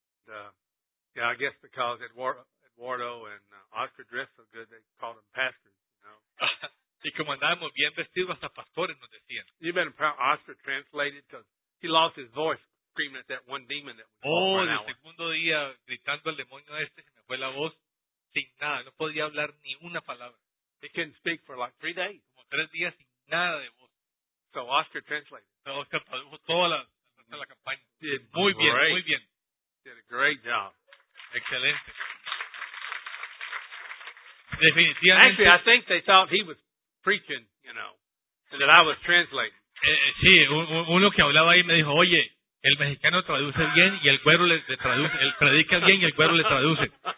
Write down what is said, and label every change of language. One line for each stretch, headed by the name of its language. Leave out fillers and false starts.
English: And, I guess because Eduardo and Oscar dressed so good, they called them pastors, you know.
Spanish: Y como andábamos bien vestidos, hasta pastores nos decían.
English: You've been proud Oscar translated because he lost his voice screaming at that one demon that was talking
Spanish: Oh, el segundo día gritando al demonio este, se me fue la voz sin nada. No podía hablar ni una palabra.
English: He couldn't speak for like 3 days.
Spanish: Como 3 días sin nada de voz.
English: So Oscar translated.
Spanish: So Oscar tradujo toda la campaña. Muy bien, muy bien.
English: Did a great job.
Spanish: Excelente. Definitivamente.
English: Actually, I think they thought he was preaching, you know, and that I was translating.
Spanish: Sí, uno que hablaba ahí me dijo, oye, el mexicano traduce bien y el güero le traduce, él predica bien y el güero le traduce.